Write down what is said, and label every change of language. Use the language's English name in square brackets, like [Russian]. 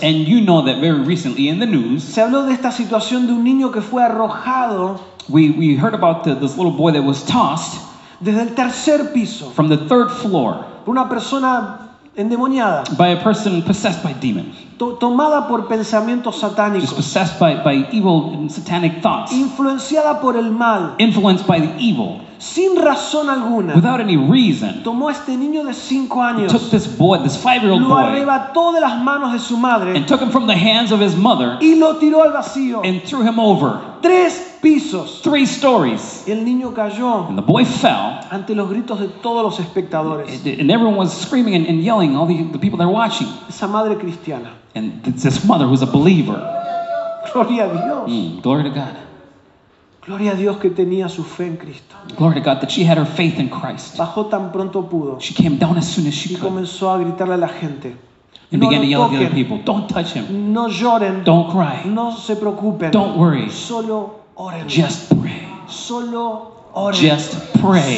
[English] And you know that very recently in the news. [Spanish] Se habló de esta situación de un niño que fue arrojado. [English] We heard about this little boy that was tossed. [Spanish] Desde el tercer piso. [English] From the third floor. [Spanish] Por una persona endemoniada. [English] By a person possessed by demons. [Spanish] Tomada por pensamientos satánicos. [English] Just possessed by evil and satanic thoughts. [Spanish] Influenciada por el mal. [English] Influenced by the evil. [Spanish] Sin razón alguna. [English] Without any reason. [Spanish] Tomó a este niño de 5 años. [English] Took this boy, this 5-year-old boy. [Spanish] Lo arrebató de las manos de su madre. [English] And took him from the hands of his mother. [Spanish] Y lo tiró al vacío. [English] And threw him over. [Spanish] 3 pisos. [English] 3 stories. [Spanish] El niño cayó. [English] And the boy fell. [Spanish] Ante los gritos de todos los espectadores. [English] And everyone was screaming and yelling, all the people that are watching. [Spanish] Esa madre cristiana. [English] And this mother was a believer. [Spanish] Gloria a Dios. [English] Glory to God. [Spanish] Gloria a Dios que tenía su fe en Cristo. [English] Glory to God that she had her faith in Christ. [Spanish] Bajó tan pronto pudo. [English] She came down as soon as she [Spanish] y [English] could. [Spanish] Y comenzó a gritarle a la gente. [English] And [Spanish] no [English] began [Spanish] lo [English] to yell [Spanish] toquen. [English] At the other people. Don't touch him. [Spanish] No lloren. [English] Don't cry. [Spanish] No se preocupen. [English] Don't worry. [Spanish] Solo oren. [English] Just pray. [Spanish] Solo oren. [English] Just pray.